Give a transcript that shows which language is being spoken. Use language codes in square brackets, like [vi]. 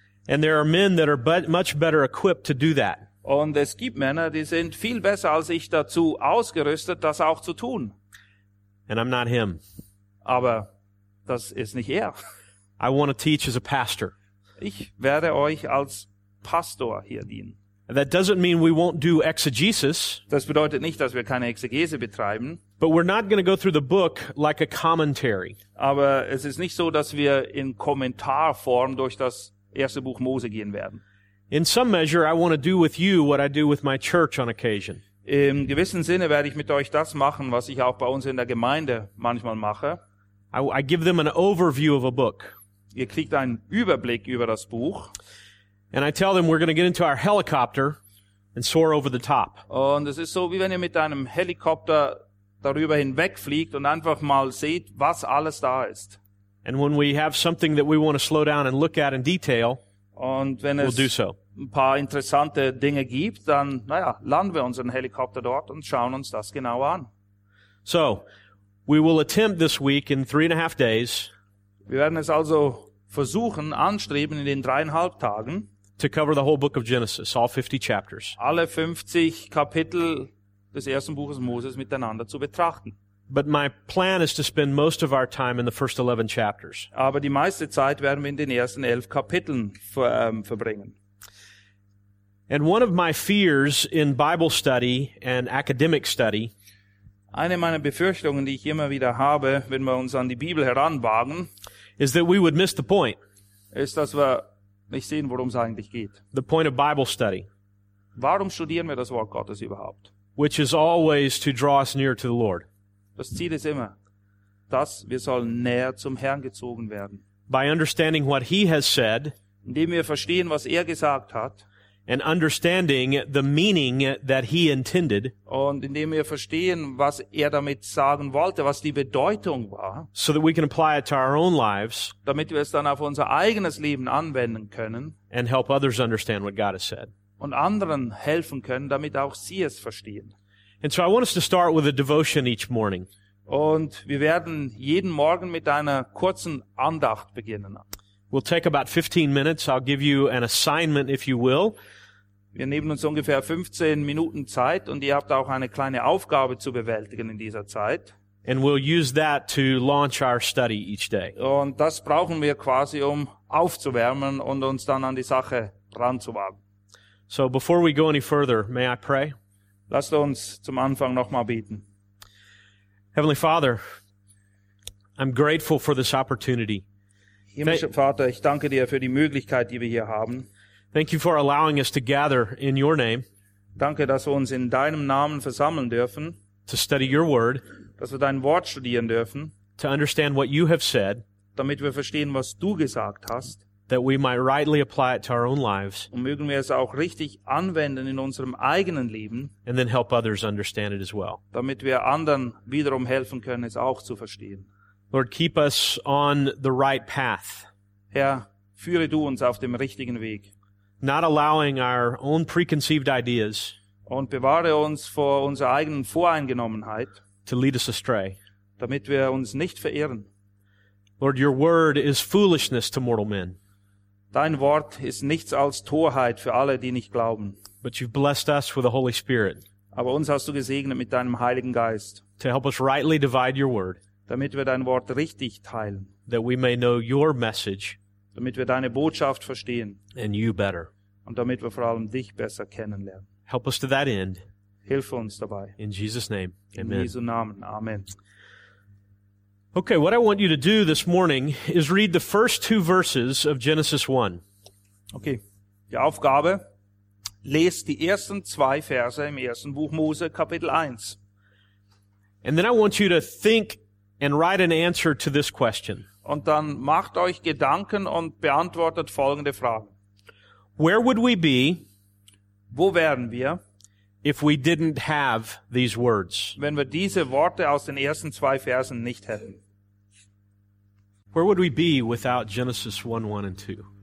[en] And there are men that are much better equipped to do that. [de] Und es gibt Männer, die sind viel besser als ich dazu ausgerüstet, das auch zu tun. [en] And I'm not him. [de] Aber das ist nicht er. [en] I want to teach as a pastor. [de] Ich werde euch als Pastor hier dienen. [en] That doesn't mean we won't do exegesis. [de] Das bedeutet nicht, dass wir keine Exegese betreiben. [en] But we're not going to go through the book like a commentary. [de] Aber es ist nicht so, dass wir in Kommentarform durch das erste Buch Mose gehen werden. [en] In some measure, I want to do with you what I do with my church on occasion. [de] Im gewissen Sinne werde ich mit euch das machen, was ich auch bei uns in der Gemeinde manchmal mache. [en] I give them an overview of a book. [de] Ihr kriegt einen Überblick über das Buch. [en] And I tell them we're going to get into our helicopter and soar over the top. [de] Und es ist so, wie wenn ihr mit einem Helikopter darüber hinwegfliegt und einfach mal seht, was alles da ist. [en] And when we have something that we want to slow down and look at in detail, [de] und wenn [en] we'll [de] es [en] do so. [de] Ein paar interessante Dinge gibt, dann naja, landen wir unseren Helikopter dort und schauen uns das genau an. [en] So, we will attempt this week in 3.5 days. [de] Wir werden es also versuchen, anstreben in den 3.5 Tagen. [en] To cover the whole book of Genesis, all 50 chapters. [de] Alle 50 Kapitel des ersten Buches Moses miteinander zu betrachten. [en] But my plan is to spend most of our time in the first 11 chapters. [de] Aber die meiste Zeit werden wir in den ersten 11 Kapiteln verbringen. [en] And one of my fears in Bible study and academic study. [de] Eine meiner Befürchtungen, die ich immer wieder habe, wenn wir uns an die Bibel heranwagen, [en] is that we would miss the point. [de] Ist, dass wir nicht sehen, worum es eigentlich geht. [en] The point of Bible study. [de] Warum studieren wir das Wort Gottes überhaupt? [en] Which is always to draw us near to the Lord. [de] Das Ziel ist immer, dass wir sollen näher zum Herrn gezogen werden. [en] By understanding what he has said, [de] indem wir verstehen, was er gesagt hat, [en] and understanding the meaning that he intended, [de] und indem wir verstehen, was er damit sagen wollte, was die Bedeutung war, [en] so that we can apply it to our own lives, [de] damit wir es dann auf unser eigenes Leben anwenden können, [en] and help others understand what God has said, [de] und anderen helfen können, damit auch sie es verstehen. [en] And so I want us to start with a devotion each morning. [de] Und wir werden jeden Morgen mit einer kurzen Andacht beginnen. [en] We'll take about 15 minutes. I'll give you an assignment if you will. [de] Wir nehmen uns ungefähr 15 Minuten Zeit und ihr habt auch eine kleine Aufgabe zu bewältigen in dieser Zeit. [en] And we'll use that to launch our study each day. [de] Und das brauchen wir quasi, um aufzuwärmen und uns dann an die Sache ranzuwagen. [en] So before we go any further, may I pray? [de] Lasst uns zum Anfang nochmal beten. [en] Heavenly Father, I'm grateful for this opportunity. [de] Himmlischer Vater, ich danke dir für die Möglichkeit, die wir hier haben. [en] Thank you for allowing us to gather in your name. [de] Danke, dass wir uns in deinem Namen versammeln dürfen. [en] To study your word. [de] Dass wir dein Wort studieren dürfen. [en] To understand what you have said. [de] Damit wir verstehen, was du gesagt hast. [en] That we might rightly apply it to our own lives. [de] Und mögen wir es auch richtig anwenden in unserem eigenen Leben. [en] And then help others understand it as well. [de] Damit wir anderen wiederum helfen können, es auch zu verstehen. [en] Lord, keep us on the right path. [de] Herr, führe du uns auf dem richtigen Weg. [en] Not allowing our own preconceived ideas. [de] Und bewahre uns vor unserer eigenen Voreingenommenheit. [en] To lead us astray. [de] Damit wir uns nicht verirren. [en] Lord, your word is foolishness to mortal men. [de] Dein Wort ist nichts als Torheit für alle, die nicht glauben. [en] But you've blessed us with the Holy Spirit. [de] Aber uns hast du gesegnet mit deinem Heiligen Geist. [en] To help us rightly divide your word. [de] Damit wir dein Wort richtig teilen. [en] That we may know your message. [de] Damit wir deine Botschaft verstehen. [en] And you better. [de] Und damit wir vor allem dich besser kennenlernen. [en] Help us to that end. [de] Hilf uns dabei. [en] In Jesus' name. [de] In Amen. In Jesu Namen. Amen. [en] Okay, what I want you to do this morning is read the first 2 verses of Genesis 1. [de] Okay, die Aufgabe, lest die ersten 2 Verse im ersten Buch Mose, Kapitel 1. [en] And then I want you to think and write an answer to this question. [de] Und dann macht euch Gedanken und beantwortet folgende Fragen. [en] Where would we be? [de] Wo wären wir? [en] If we didn't have these words. [de] Wenn wir diese Worte aus den ersten 2 Versen nicht hätten. [en] Where would we be without Genesis 1, 1 and 2?